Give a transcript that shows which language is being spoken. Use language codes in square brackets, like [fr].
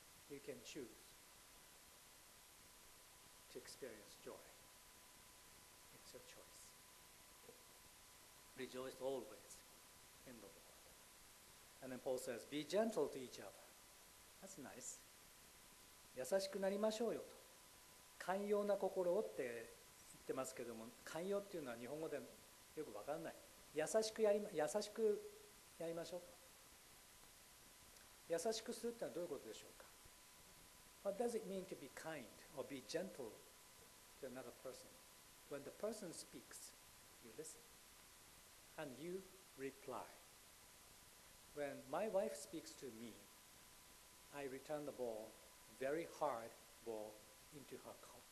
[en] You can choose to experience joy. It's your choice. Rejoice always in the Lord. And then Paul says, be gentle to each other. That's nice. [ja] 優しくなりましょうよと。寛容な心をって言ってますけども、寛容っていうのは日本語でよく分からない。優しくやりましょう。優しくするってのはどういうことでしょうか。 [en] What does it mean to be kind or be gentle to another person? When the person speaks, you listen and you reply. When my wife speaks to me, I return the ball, very hard ball, into her court.